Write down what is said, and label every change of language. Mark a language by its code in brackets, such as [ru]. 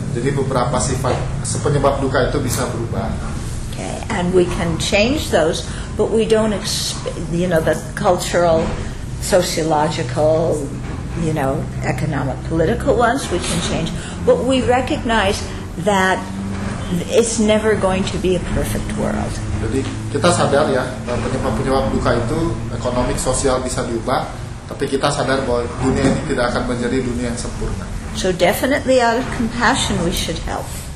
[id] Jadi beberapa sifat penyebab duka itu bisa berubah. [en] Okay, and we can change those, but we don't the cultural, sociological, economic, political ones we can change, but we recognize that it's never going to be a perfect world. [id] Jadi kita sadar ya, penyebab-penyebab duka itu ekonomik, sosial bisa diubah, tapi kita sadar bahwa dunia ini tidak akan menjadi dunia yang sempurna. [en] So definitely out of compassion we should help.